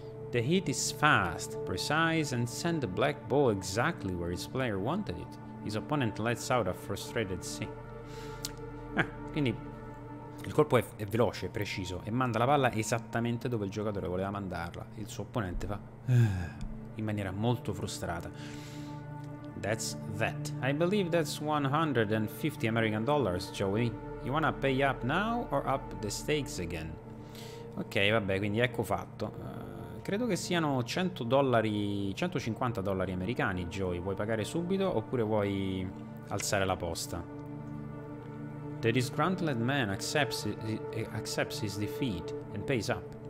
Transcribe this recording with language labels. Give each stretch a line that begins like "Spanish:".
English: The hit is fast, precise, and send the black ball exactly where his player wanted it. His opponent lets out a frustrated sigh.
Italian: Quindi il colpo è veloce, è preciso, e manda la palla esattamente dove il giocatore voleva mandarla. Il suo opponente fa in maniera molto frustrata.
English: That's that. I believe that's $150 American, Joey. You wanna pay up now or up the stakes again?
Italian: Ok, vabbè, quindi ecco fatto. Credo che siano $100, $150 americani, Joey. Vuoi pagare subito oppure vuoi alzare la posta?
English: The disgruntled man accepts his defeat and pays up.